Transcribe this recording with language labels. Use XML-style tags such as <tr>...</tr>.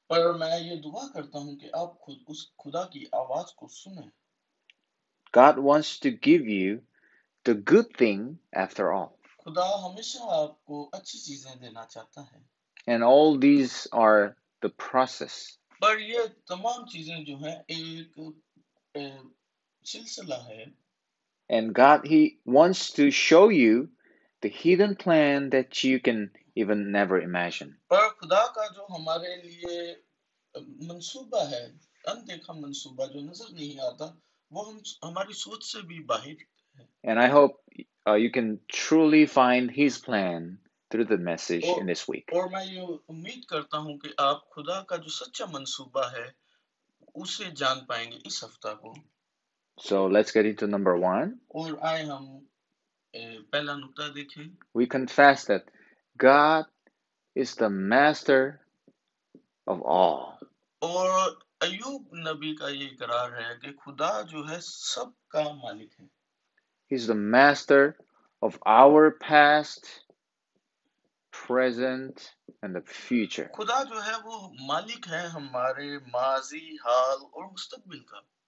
<hi>पर मैं ये दुआ करता हूँ कि आप खुद उस खुदा की आवाज को सुनें.</hi> <en>God wants to give you the good thing after all.</en> <hi>खुदा हमेशा आपको अच्छी चीजें देना चाहता है.</hi> <en>And all these are the process.</en> <hi>पर ये तमाम चीजें जो हैं एक सिलसिला है.</hi> <en>And God, he wants to show you the hidden plan that you can even never imagine.</en> <hi>पर खुदा का जो हमारे लिए मंसूबा है, अनदेखा मंसूबा जो नजर नहीं आता, वो हम हमारी सोच से भी बाहर है.</hi> <en>And I hope you can truly find His plan through the message in this week.</en> <hi>और मैं ये उम्मीद करता हूँ कि आप खुदा का जो सच्चा मंसूबा है, उसे जान पाएंगे इस हफ्ता को.</hi> <en>So let's get into number one.</en> <hi>और आए हम पहला नुक्ता देखें.</hi> <en>We confess that God is the master of all.</en> <hi>और अय्यूब नबी का ये इकरार है कि खुदा जो है सब का मालिक है.</hi> <en>He's the master of our past, present and the future.</en> <hi>खुदा जो है वो मालिक है हमारे माजी, हाल और मुस्तकबिल का.</hi>